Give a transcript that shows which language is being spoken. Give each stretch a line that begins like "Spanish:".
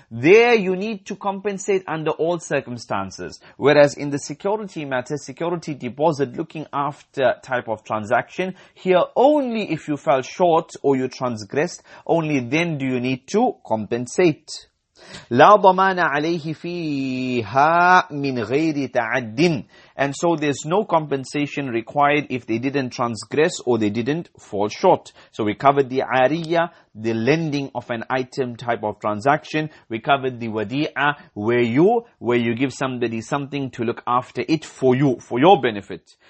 English: There you need to compensate under all circumstances. Whereas in the security matter, security deposit, looking after type of transaction, here only if you fell short or you transgressed, only then do you need to compensate.
Arabic: لا ضمان عليه فيها من غير تعد.
English: And so there's no compensation required if they didn't transgress or they didn't fall short. So we covered the ariyah, the lending of an item type of transaction. We covered the wadi'a, where you give somebody something to look after it for you, for your benefit.